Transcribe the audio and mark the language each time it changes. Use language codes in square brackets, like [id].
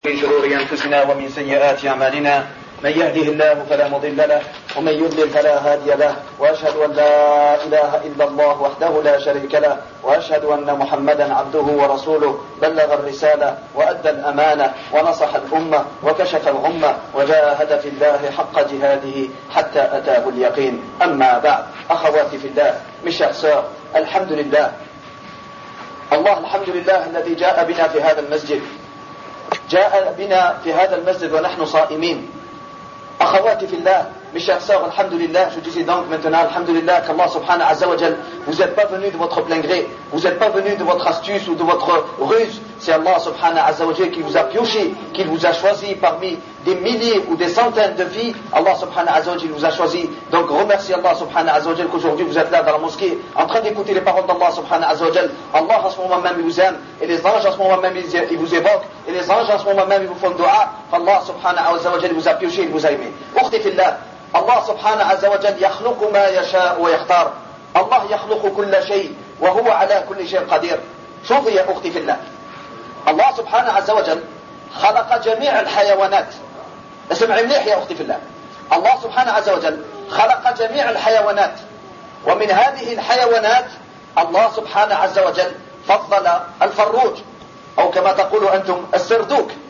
[ar] من شرور أنفسنا ومن سيئات أعمالنا، من يهده الله فلا مضل له ومن يضلل فلا هادي له، وأشهد أن لا إله إلا الله وحده لا شريك له، وأشهد أن محمدا عبده ورسوله، بلغ الرسالة وأدى الأمانة ونصح الأمة وكشف الغمة وجاهد في الله حق جهاده حتى أتاه اليقين. أما بعد، أخواتي في الله، مش أخسار، الحمد لله، الله الحمد لله الذي جاء بنا في هذا المسجد، جاء بنا في هذا المسجد ونحن صائمين. أخواتي في الله، مشاهدين، الحمد لله. [fr] Je disais donc maintenant, alhamdulillah, qu'Allah subhanahu wa ta'ala, vous n'êtes pas venu de votre plein gré, vous n'êtes pas venu de votre astuce ou de votre ruse. C'est Allah subhanahu wa ta'ala qui vous a pioché, qui vous a choisi parmi des milliers ou des centaines de filles. Allah subhanahu wa ta'ala vous a choisi. Donc remercie Allah subhanahu wa ta'ala qu'aujourd'hui vous êtes là dans la mosquée, en train d'écouter les paroles d'Allah subhanahu wa ta'ala. Allah à ce moment même vous aime, et les anges à ce moment même ils vous évoquent, et les anges à ce moment même ils vous font dua. Allah subhanahu wa ta'ala vous a pioché, il vous a aimé. [ar] Ukhti fillah, الله سبحانه عز وجل يخلق ما يشاء ويختار. الله يخلق كل شيء وهو على كل شيء قدير. شوفي يا أختي في الله، الله سبحانه عز وجل خلق جميع الحيوانات. اسمعي منيح يا أختي في الله، الله سبحانه عز وجل خلق جميع الحيوانات، ومن هذه الحيوانات الله سبحانه عز وجل فضل الفروج، أو كما تقول أنتم السردوك.